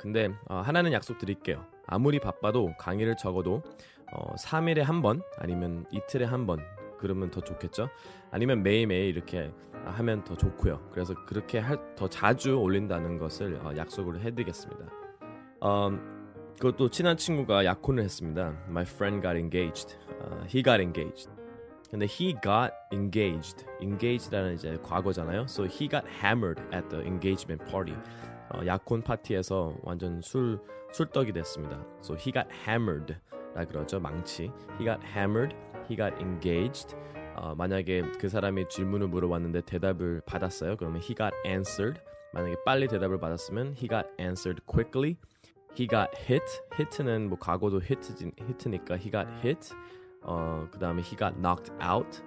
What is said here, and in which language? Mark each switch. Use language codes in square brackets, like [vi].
[ko] 근데 하나는 약속 드릴게요. 아무리 바빠도 강의를 적어도 3일에 한 번 아니면 이틀에 한 번 그러면 더 좋겠죠? 아니면 매일매일 이렇게 하면 더 좋고요. 그래서 그렇게 더 자주 올린다는 것을 약속을 해드리겠습니다. 그것도 친한 친구가 약혼을 했습니다. [en] My friend got engaged. He got engaged. 근데 he got engaged. [ko] Engaged라는 이제 과거잖아요. [en] So he got hammered at the engagement party. [ko] 약혼 파티에서 완전 술떡이 됐습니다. [en] So he got hammered. [ko] 라 그러죠. 망치. [en] He got hammered. He got engaged. [ko] 만약에 그 사람이 질문을 물어봤는데 대답을 받았어요. 그러면 [en] he got answered. [ko] 만약에 빨리 대답을 받았으면 [en] he got answered quickly. He got hit. [ko] Hit는 뭐 과거도 hit니까 [en] he got hit. [ko] 그 다음에 [en] he got knocked out.